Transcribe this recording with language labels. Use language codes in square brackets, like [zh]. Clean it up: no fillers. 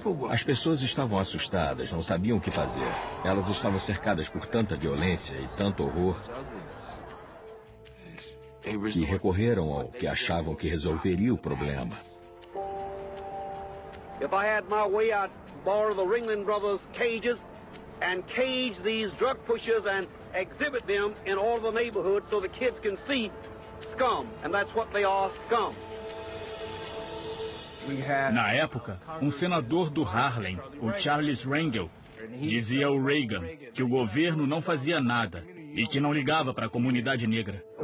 [pt] As pessoas estavam assustadas, não sabiam o que fazer. Elas estavam cercadas por tanta violência e tanto horror que recorreram ao que achavam que resolveria o problema. [en] If I had my way, I'd borrow the Ringling Brothers' cages and cage these drug pushers and exhibit them in all the neighborhoods so the kids can see scum, and that's what they are, scum. [pt] Na época, um senador do Harlem, o Charles Rangel, dizia ao Reagan que o governo não fazia nada e que não ligava para a comunidade negra.